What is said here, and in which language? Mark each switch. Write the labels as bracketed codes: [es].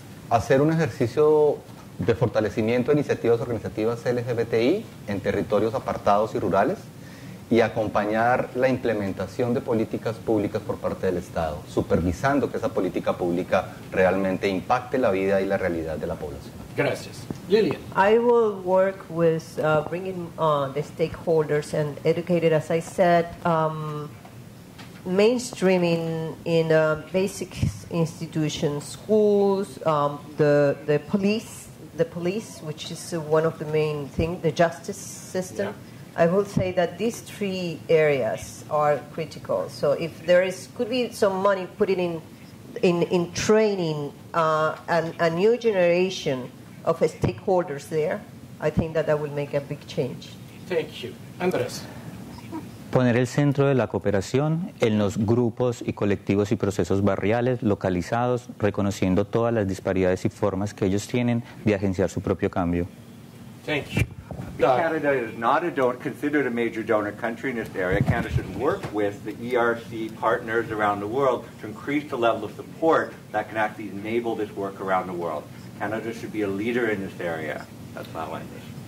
[es] Hacer un ejercicio de fortalecimiento de iniciativas organizativas LGBTI en territorios apartados y rurales y acompañar la implementación de políticas públicas por parte del Estado, supervisando que esa política pública realmente impacte la vida y la realidad de la población. Gracias. Lillian. [en] I will work with bringing the stakeholders and educated, as I said, mainstreaming in basic institutions, schools, the police, the police, which is one of the main things, the justice system. Yeah. I will say that these three areas are critical. So if there is, could be some money put in training a new generation of stakeholders there, I think that will make a big change. Thank you. Andres. [es] Poner el centro de la cooperación en los grupos y colectivos y procesos barriales localizados, reconociendo todas las disparidades y formas que ellos tienen de agenciar su propio cambio. [en] Thank you. Canada is not a considered a major donor country in this area. Canada should work with the ERC partners around the world to increase the level of support that can actually enable this work around the world. Canada should be a leader in this area. That's my language.